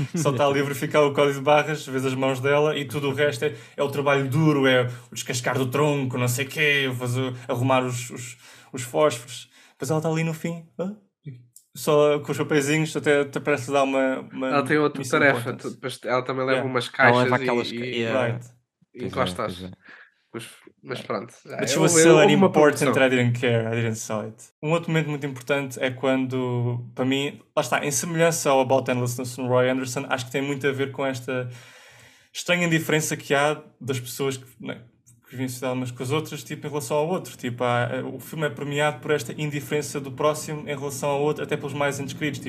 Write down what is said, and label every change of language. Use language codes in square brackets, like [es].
[pt] Só está ali a verificar o código de barras, vês as mãos dela, e tudo o resto é o trabalho duro, é o descascar do tronco, não sei o quê, fazer, arrumar os fósforos. Mas ela está ali no fim, só com os papeizinhos, até parece dar uma. Ela tem outra tarefa, ela também leva umas caixas e encostas. Mas pronto. [en] But she was so unimportant that I didn't care, I didn't saw it. [pt] Um outro momento muito importante é quando, para mim, lá está, em semelhança ao About Endlessness no Roy Anderson, acho que tem muito a ver com esta estranha indiferença que há das pessoas que vivem em sociedade umas com as outras, tipo, em relação ao outro. Tipo, o filme é premiado por esta indiferença do próximo em relação ao outro, até pelos mais indescritos.